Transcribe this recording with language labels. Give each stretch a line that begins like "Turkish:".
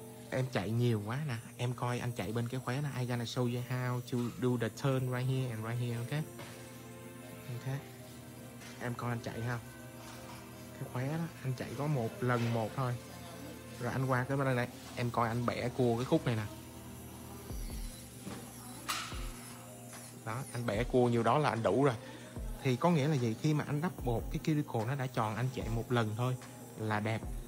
Vietnamese: Em chạy nhiều quá nè. Em coi anh chạy bên cái khóe nè.
English: I gonna show you how to do the turn right here and right here, okay?
Vietnamese: Okay. Em coi anh chạy ha. Cái khóe đó, anh chạy có một lần một thôi. Rồi anh qua cái bên này. Em coi anh bẻ cua cái khúc này nè. Đó, anh bẻ cua nhiều đó là anh đủ rồi. Thì có nghĩa là gì? Khi mà anh đắp bột, cái cuticle nó đã tròn, anh chạy một lần thôi là đẹp.